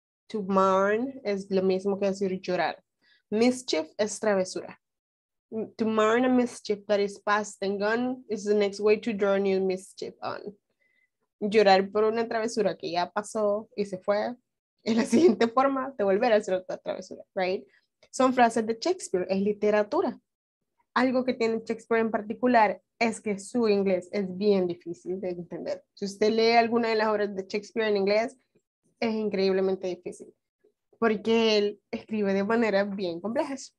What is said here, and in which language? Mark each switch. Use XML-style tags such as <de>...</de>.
<es>To mourn es lo mismo que decir llorar. Mischief es travesura.</es> <en>To mourn a mischief that is past and gone is the next way to draw new mischief on.</en> <es>Llorar por una travesura que ya pasó y se fue es la siguiente forma de volver a hacer otra travesura, right? Son frases de Shakespeare, es literatura. Algo que tiene Shakespeare en particular es que su inglés es bien difícil de entender. Si usted lee alguna de las obras de Shakespeare en inglés, es increíblemente difícil porque él escribe de manera bien compleja.</es>